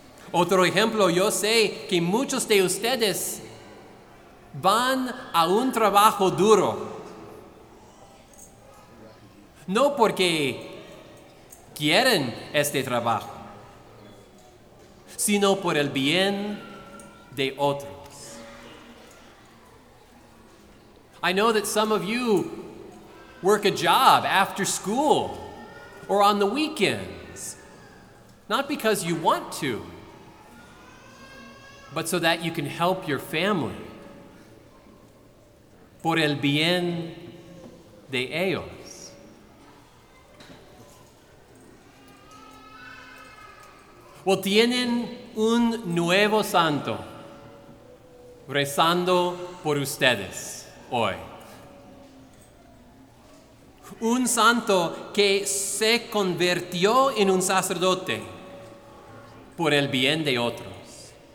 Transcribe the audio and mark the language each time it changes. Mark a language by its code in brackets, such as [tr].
[es] Otro ejemplo, yo sé que muchos de ustedes van a un trabajo duro. No porque quieren este trabajo, sino por el bien de otros. [en] I know that some of you work a job after school or on the weekends, not because you want to, but so that you can help your family, [es] por el bien de ellos. Well, tienen un nuevo santo rezando por ustedes hoy. Un santo que se convirtió en un sacerdote por el bien de otros.